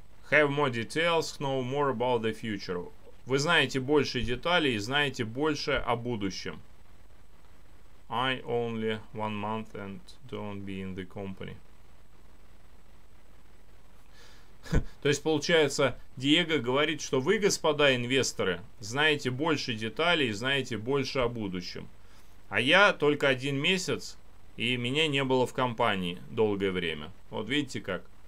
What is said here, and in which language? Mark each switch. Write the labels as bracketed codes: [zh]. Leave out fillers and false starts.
[en] Have more details, know more about the future. [ru] Вы знаете больше деталей и знаете больше о будущем. [en] I only 1 month and don't be in the company. [ru] То есть получается, Диего говорит, что вы, господа инвесторы, знаете больше деталей и знаете больше о будущем. А я только 1 месяц, и меня не было в компании долгое время. Вот видите как.